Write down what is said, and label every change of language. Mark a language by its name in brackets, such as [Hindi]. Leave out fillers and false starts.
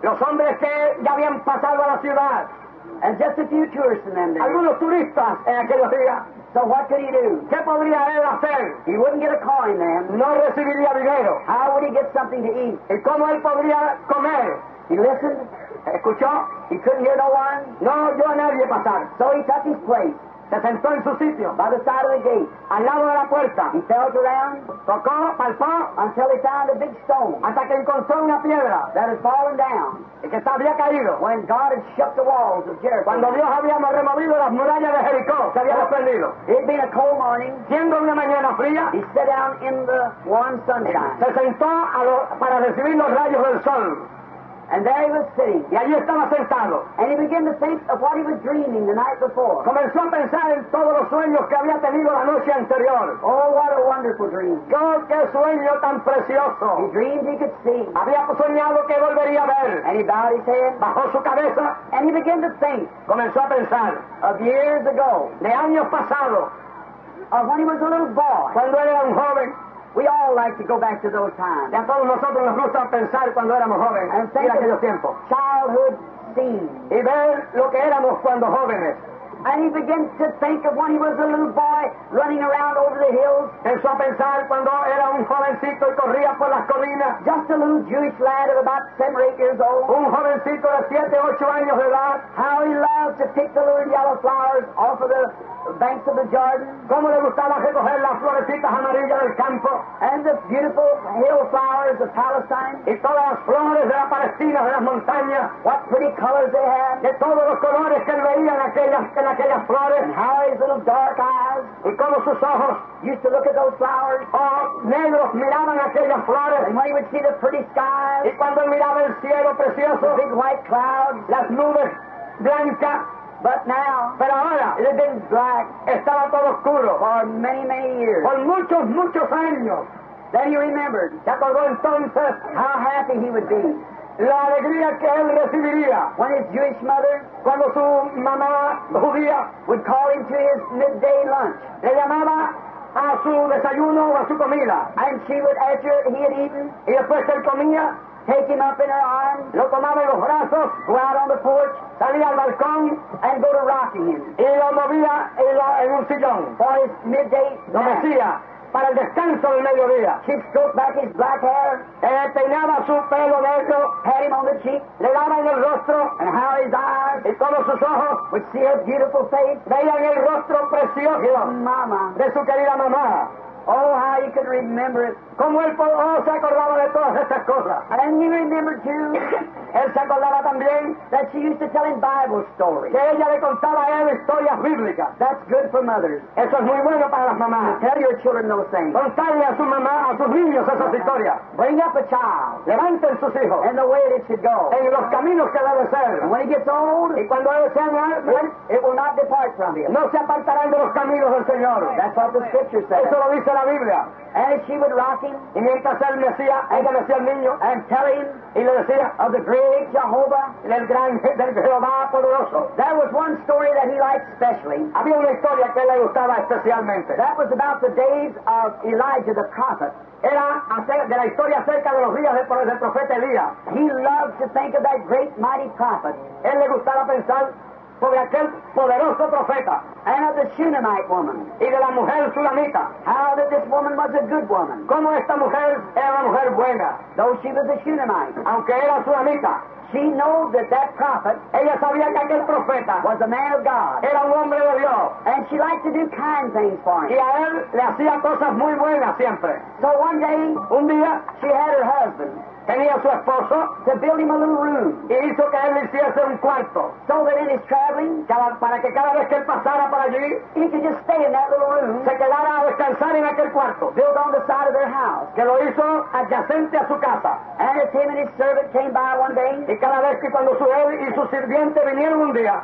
[Spanish] Los hombres que ya habían pasado a la ciudad. [English] And just a few tourists in them. [Spanish] Algunos turistas en aquel día. [English] So what could he do? [Spanish] ¿Qué podría él hacer? [English] He wouldn't get a coin, man. [Spanish] No recibiría dinero. [English] How would he get something to eat? [Spanish] ¿Y cómo él podría comer? [English] He listened. [Spanish] ¿Escuchó? [English] He couldn't hear no one. [Spanish] No oyó a nadie pasar. [English] So he took his place. [Spanish] Se sentó en su sitio. [English] By the side of the gate. [Spanish] Al lado de la puerta. [English] He felt around. [Spanish] Tocó, palpó. [English] Until he found a big stone. [Spanish] Hasta que encontró una piedra. [English] That had fallen down. [Spanish] Y que había caído. [English] When God had shut the walls of Jericho. [Spanish] Cuando Dios había removido las murallas de Jericó. Se había desprendido. [English] It had been a cold morning. [Spanish] Siendo una mañana fría. [English] He sat down in the warm sunshine. [Spanish] Se sentó para recibir los rayos del sol. [English] And there he was sitting. [Spanish] Y allí estaba sentado. [English] And he began to think of what he was dreaming the night before. [Spanish] Comenzó a pensar en todos los sueños que había tenido la noche anterior. [English] Oh, what a wonderful dream. [Spanish] God, qué sueño tan precioso. [English] He dreamed he could see. [Spanish] Había soñado que volvería a ver. [English] And he bowed his head. [Spanish] Bajó su cabeza. [English] And he began to think. [Spanish] Comenzó a pensar. [English] Of years ago. [Spanish] De años pasados. [English] Of when he was a little boy. [Spanish] Cuando era un joven. [English] We all like to go back to those times. [Spanish] Ya todos nosotros nos gusta pensar cuando éramos jóvenes. [English] And think [Spanish] y aquellos tiempos. [English] Childhood scenes. [Spanish] Y ver lo que éramos cuando jóvenes. [English] And he begins to think of when he was a little boy running around over the hills. [Spanish] Empezó a pensar cuando era un jovencito y corría por las colinas. [English] Just a little Jewish lad of about 7 or 8 years old. [Spanish] Un jovencito de 7 o 8 años de edad. [English] How he loved to pick the little yellow flowers off of the banks of the Jordan. [Spanish] Cómo le gustaba recoger las florecitas amarillas del campo. [English] And the beautiful hill flowers of Palestine. [Spanish] Y todas las flores de la Palestina, de las montañas. [English] What pretty colors they had. [Spanish] De todos los colores que veían aquellas flores. [English] And how his little dark eyes. [Spanish] Y cómo sus ojos. [English] Used to look at those flowers. [Spanish] Oh, negros miraban aquellas flores. [English] And when he would see the pretty skies. [Spanish] Y cuando miraba el cielo precioso. [English] The big white clouds. [Spanish] Las nubes blancas. [English] But now, [Spanish] pero ahora, [English] it had been black. [Spanish] Estaba todo oscuro. [English] For many, many years. [Spanish] Por muchos, muchos años. [English] Then he remembered. [Spanish] Se acordó entonces. [English] How happy he would be. [Spanish] La alegría que él recibiría. [English] When his Jewish mother, [Spanish] cuando su mamá judía, [English] would call him to his midday lunch. [Spanish] Le llamaba a su desayuno o a su comida. [English] And she would, after he had eaten, [Spanish] y después que él comía, [English] take him up in her arms, [Spanish] lo tomaba en los brazos, [English] go out on the porch, [Spanish] salía al balcón, [English] and go to rocking him. [Spanish] Y lo movía en un sillón. [English] For his midday nap. [Spanish] Lo mecía para el descanso del mediodía. [English] She stroked back his black hair, [Spanish] peinaba su pelo negro, [English] pat him on the cheek, [Spanish] le daba en el rostro, [English] and how his eyes, [Spanish] y todos sus ojos, [English] would see her beautiful face, [Spanish] veían el rostro precioso, [English] mama, [Spanish] de su querida mamá. [English] Oh, how he could remember it. [Spanish] Como él, se acordaba de todas estas cosas. [English] And he remembered too. [Spanish] Él se acordaba también. [English] That she used to tell him Bible stories. [Spanish] Que ella le contaba a él historias bíblicas. [English] That's good for mothers. [Spanish] Eso es muy bueno para las mamás. [English] Tell your children those things. [Spanish] Contarle a su mamá, a sus niños esas historias. [English] Bring up a child. [Spanish] Levanten sus hijos. [English] And the way that it should go. [Spanish] En los caminos que debe ser. [English] And when he gets old. [Spanish] Y cuando él sea grande. [English] It will not depart from him. [Spanish] No se apartarán de los caminos del Señor. [English] That's what the scripture says. [Spanish] Eso lo dice la Biblia. [English] And she would rock him. [Spanish] Y mientras él decía, ella decía al niño, [English] and tell him, [Spanish] y le decía, [English] of the great Jehovah, [Spanish] del Jehová poderoso. [English] There was one story that he liked specially. [Spanish] Había una historia que le gustaba especialmente. [English] That was about the days of Elijah the prophet. [Spanish] Era de la historia acerca de los días del profeta Elías. [English] He loved to think of that great mighty prophet. [Spanish] Él le gustaba pensar sobre aquel poderoso profeta. [English] And of the Shunammite woman. [Spanish] Y de la mujer Shunamita. [English] How that this woman was a good woman. [Spanish] Como esta mujer era una mujer buena. [English] Though she was a Shunammite. [Spanish] Aunque era Shunamita. [English] She knew that that prophet. [Spanish] Ella sabía que aquel profeta. [English] Was a man of God. [Spanish] Era un hombre de Dios. [English] And she liked to do kind things for him. [Spanish] Y a él le hacía cosas muy buenas siempre. [English] So one day. [Spanish] Un día. [English] She had her husband. [Spanish] Tenía su esposo. [English] To build him a little room. [Spanish] Y hizo que él hiciese un cuarto. [English] So that in his traveling, [Spanish] para que cada vez que él pasara por allí, [English] he could just stay in that little room. [Spanish] Se quedara a descansar en aquel cuarto. [English] Built on the side of their house. [Spanish] Que lo hizo adyacente a su casa. [English] And as him and his servant came by one day, [Spanish] y cada vez que cuando él y su sirviente vinieron un día,